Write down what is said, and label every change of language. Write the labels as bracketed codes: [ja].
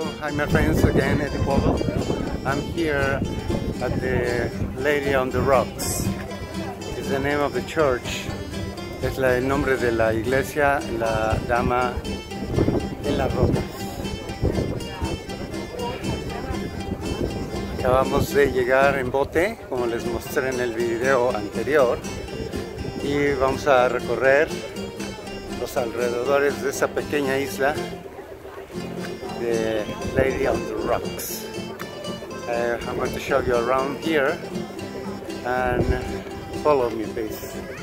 [en] My friends again at the bottom. I'm here at the Lady on the Rocks. It's the name of the church. [es] Es el nombre de la iglesia, la dama en las rocas. Acabamos de llegar en bote, como les mostré en el video anterior, y vamos a recorrer los alrededores de esa pequeña isla. [en] The Lady on the Rocks. I'm going to show you around here and follow me, please.